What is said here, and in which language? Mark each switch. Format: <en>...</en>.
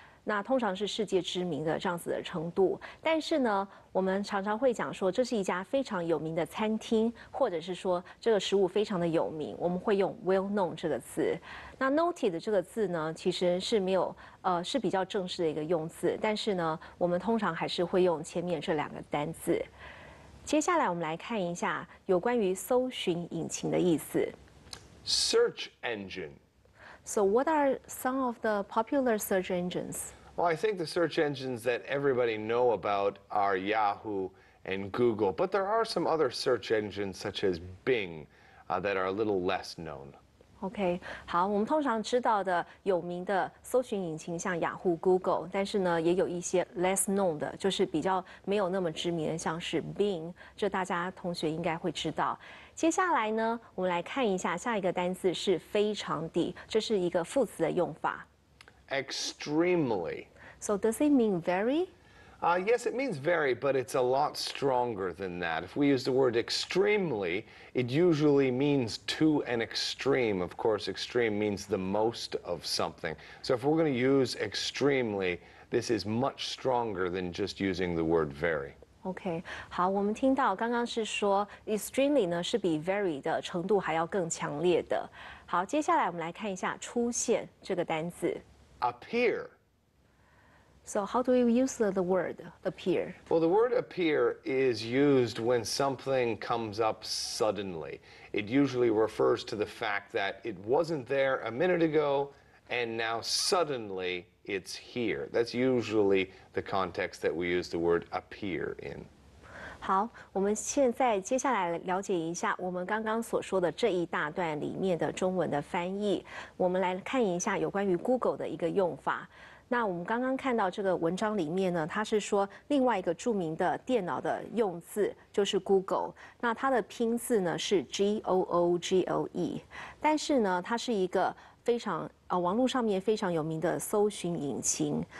<zh>那通常是世界知名的这样子的程度，但是呢，我们常常会讲说这是一家非常有名的餐厅，或者是说这个食物非常的有名，我们会用 well known 这个词。那 noted 这个字呢，其实是没有是比较正式的一个用字，但是呢，我们通常还是会用前面这两个单字。接下来我们来看一下有关于搜寻引擎的意思</zh> <en>，search engine。 So what are some of the popular search engines? Well, I think the search engines that everybody know about are Yahoo and Google, but there are some other search engines such as Bing, that are a little less known.</en> <zh>Okay, 好，我们通常知道的有名的搜寻引擎像 Yahoo, Google, 但是呢，也有一些 less known 的，就是比较没有那么知名的，像是 Bing, 这大家同学应该会知道。接下来呢，我们来看一下下一个单字是非常的，这是一个副词的用法。</zh> <en>Extremely. So does it mean very? Yes, it means very, but it's a lot stronger than that. If we use the word extremely, it usually means to an extreme. Of course, extreme means the most of something. So if we're going to use extremely, this is much stronger than just using the word very.</en> <zh>OK, 好，我们听到刚刚是说 extremely 呢是比 very 的程度还要更强烈的。好，接下来我们来看一下出现这个单字</zh> <en>appear. So how do you use the word appear? Well, the word appear is used when something comes up suddenly. It usually refers to the fact that it wasn't there a minute ago and now suddenly. It's here. That's usually the context that we use the word appear in.</en> <zh>好，我们现在接下来了解一下我们刚刚所说的这一大段里面的中文的翻译。我们来看一下有关于 Google 的一个用法。那我们刚刚看到这个文章里面呢，它是说另外一个著名的电脑的用字就是 Google， 那它的拼字呢是 G-O-O-G-L-E， 但是呢，它是一个非常网络上面非常有名的搜寻引擎。</zh>